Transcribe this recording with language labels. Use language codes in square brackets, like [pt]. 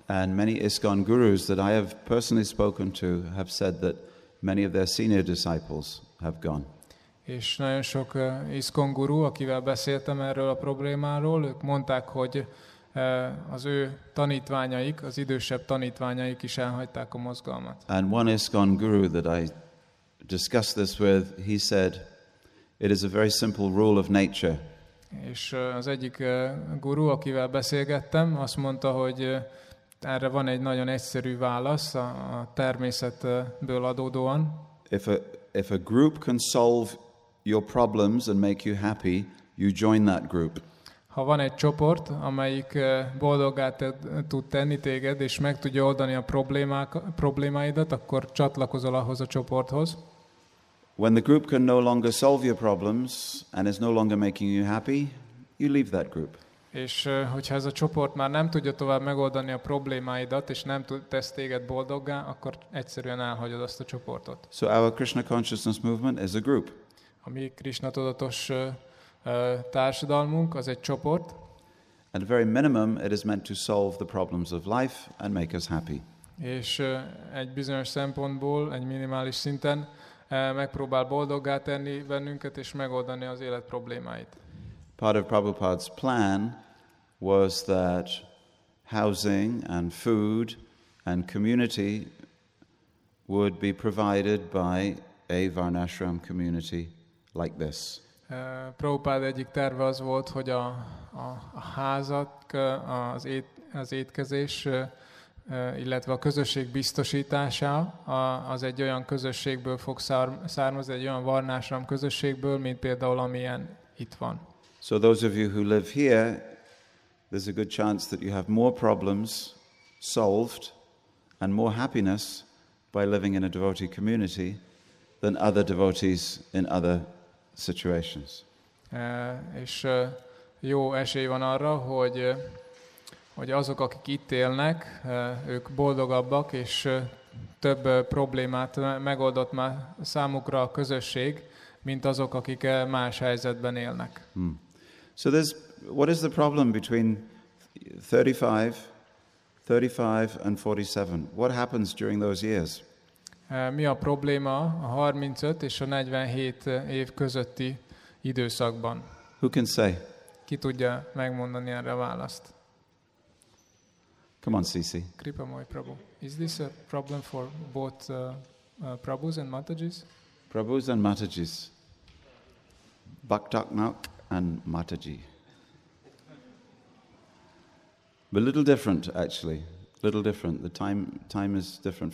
[en] And many ISKCON gurus that I have personally spoken to have said that many of their senior disciples have gone. [hu] És nagyon sok ISKCON guru, akivel beszéltem erről a problémáról, ők mondták, hogy az ő tanítványaik, az idősebb tanítványaik is elhagyták a mozgalmat. [en] And one ISKCON guru that I discussed this with, he said, it is a very simple rule of nature. [hu] És az egyik guru, akivel beszélgettem, azt mondta, hogy erre van egy nagyon egyszerű válasz a természetből adódóan. [en] If a group can solve your problems and make you happy, you join that group. [hu] Ha van egy csoport, amelyik boldoggá tud tenni téged, és meg tudja oldani a problémáidat, akkor csatlakozol ahhoz a csoporthoz. [en] When the group can no longer solve your problems and is no longer making you happy, you leave that group. [hu] És hogyha ez a csoport már nem tudja tovább megoldani a problémáidat, és nem tesz téged boldoggá, akkor egyszerűen elhagyod azt a csoportot. [en] So our Krishna consciousness movement is a group. [hu] A mi Krishna tudatos társadalmunk, az egy csoport. [en] At the very minimum, it is meant to solve the problems of life and make us happy. [hu] És egy bizonyos szempontból, egy minimális szinten megpróbál boldoggá tenni bennünket, és megoldani az élet problémáit. [en] Part of Prabhupada's plan was that housing and food and community would be provided by a Varnashram community like this. [hu] Prabhupád egyik terve az volt, hogy a házat, az étkezés, illetve a közösség biztosítása, az egy olyan közösségből fog származni, egy olyan varnásram közösségből, mint például amilyen itt van. [en] So those of you who live here, there's a good chance that you have more problems solved and more happiness by living in a devotee community than other devotees in other situations. [hu] És jó esély van arra, hogy azok, akik itt élnek, ők boldogabbak, és több problémát megoldott már számukra a közösség, mint azok, akik más helyzetben élnek. Hmm. [en] So there's, what is the problem between 35 and 47? What happens during those years? [hu] Mi a probléma a 35 és a 47 év közötti időszakban? [en] Who can say? [hu] Ki tudja megmondani erre a választ? [en] Come on, Sisi. Kripa Moy Prabhu. Is this a problem for both Prabhus and Matajis? Prabhus and Matajis. Bhaktaknak and Mataji. But a little different, actually. A little different. The time is different.